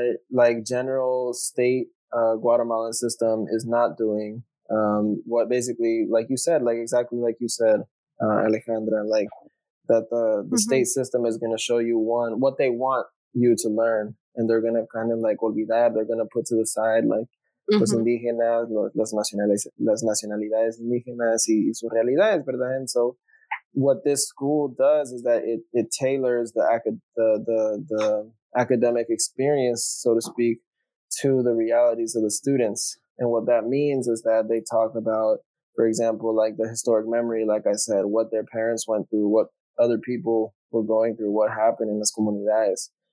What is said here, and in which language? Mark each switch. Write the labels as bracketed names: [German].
[English] like general state Guatemalan system is not doing. What basically, like you said, like exactly like you said, Alejandra, like that the mm-hmm. state system is going to show you one, what they want you to learn. And they're going to kind of like, olvidar, they're going to put to the side, like, mm-hmm. [Spanish] los indígenas, las nacionalidades indígenas y sus realidades, ¿verdad? [English] And so what this school does is that it tailors the academic experience, so to speak, to the realities of the students. And what that means is that they talk about, for example, like the historic memory, like I said, what their parents went through, what other people were going through, what happened in [Spanish] las comunidades.